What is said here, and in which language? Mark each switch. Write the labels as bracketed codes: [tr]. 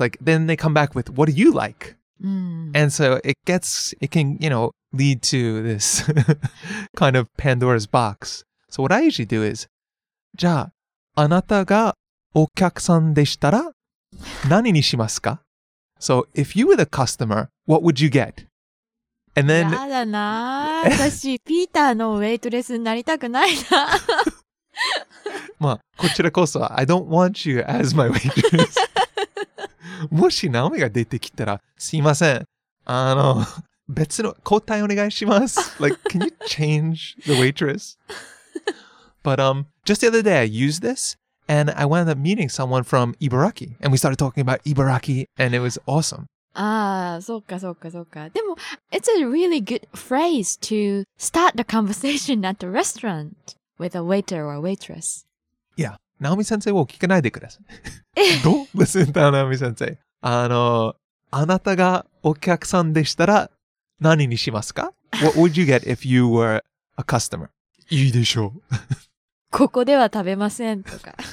[en] Like, then they come back with, what do you like? And so it can, you know, lead to this kind of Pandora's box. So what I usually do is, [ja] じゃあ、あなたがお客さんでしたら、何にしますか? [en] So if you were the customer, what would you get? And then... [ja] やだな。私、ピーターのウェイトレスになりたくないな。まあ、こちらこそ、 [en] I don't want you as my waitress. [ja] もし、ナオミが出てきたら、すいません。別の、交代お願いします。 [en] Like, can you change the waitress? But, just the other day, I used this, and I wound up meeting someone from Ibaraki, and we started talking about Ibaraki, and it was awesome. [ja] Ah, そっかそっかそっか。 [en] でも、it's a really good phrase to start the conversation at the restaurant with a waiter or a waitress. Yeah, Naomi-sensei [ja] を聞かないでください。 [en] Don't listen to Naomi-sensei. [ja] あなたがお客さんでしたら何にしますか? [en] What would you get if you were a customer? [ja] いいでしょう。ここでは食べませんとか。